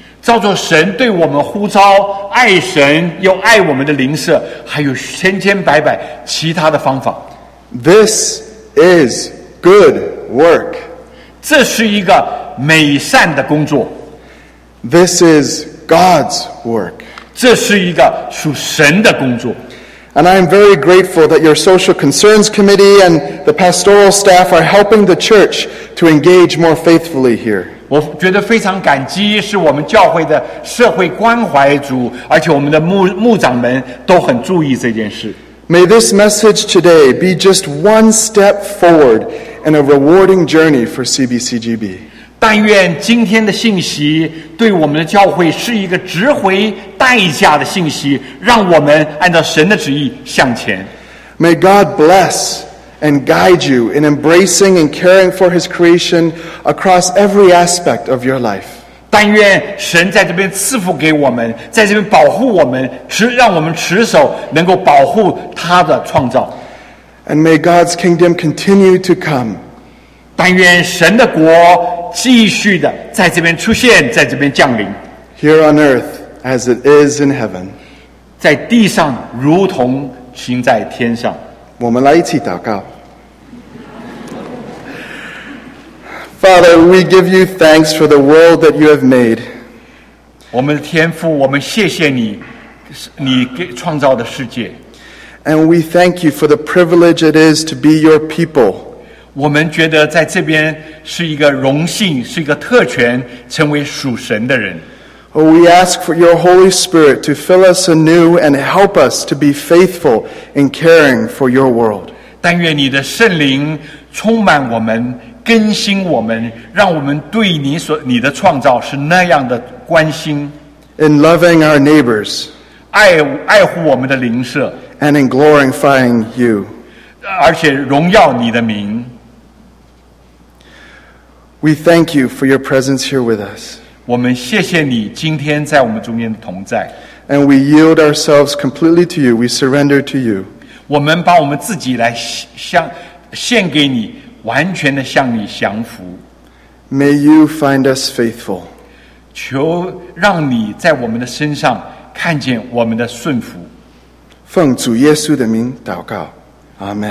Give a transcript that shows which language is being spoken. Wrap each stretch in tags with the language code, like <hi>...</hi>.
<zh>照着神对我们呼召，爱神又爱我们的邻舍，还有千千百百其他的方法。</zh> <en>This is good work.</en> <zh>这是一个美善的工作。</zh> <en>This is God's work.</en> <zh>这是一个属神的工作。</zh> <en>And I am very grateful that your Social Concerns Committee and the pastoral staff are helping the church to engage more faithfully here.</en> <zh>我觉得非常感激，是我们教会的社会关怀组，而且我们的牧长们都很注意这件事。</zh> <en>May this message today be just one step forward in a rewarding journey for CBCGB.</en> <zh>但愿今天的信息对我们的教会是一个值回代价的信息，让我们按照神的旨意向前。</zh> <en>May God bless and guide you in embracing and caring for His creation across every aspect of your life.</en> <zh>但愿神在这边赐福给我们，在这边保护我们，让我们持守能够保护他的创造。</zh> <en>And may God's kingdom continue to come.</en> <zh>但愿神的国继续的在这边出现，在这边降临。</zh> <en>Here on earth as it is in heaven.</en> <zh>在地上如同行在天上。我们来一起祷告。</zh> <en>Father, we give you thanks for the world that you have made.</en> <zh>我们的天父，我们谢谢你，你给创造的世界。</zh> <en>And we thank you for the privilege it is to be your people.</en> <zh>我们觉得在这边是一个荣幸，是一个特权，成为属神的人。</zh> <en>Oh, we ask for your Holy Spirit to fill us anew and help us to be faithful in caring for your world.</en> <zh>但愿你的圣灵充满我们，更新我们，让我们对你的创造是那样的关心。</zh> <en>In loving our neighbors,</en> <zh>爱护我们的邻舍。</zh> <en>And in glorifying you.</en> <zh>而且荣耀你的名。</zh> <en>We thank you for your presence here with us.</en> <zh>我们谢谢你今天在我们中间的同在。</zh> <en>And we yield ourselves completely to you. We surrender to you.</en> <zh>我们把我们自己来献给你，完全的向你降服。</zh> <en>May you find us faithful.</en> <zh>求让你在我们的身上看见我们的顺服。奉主耶稣的名祷告，阿门。</zh>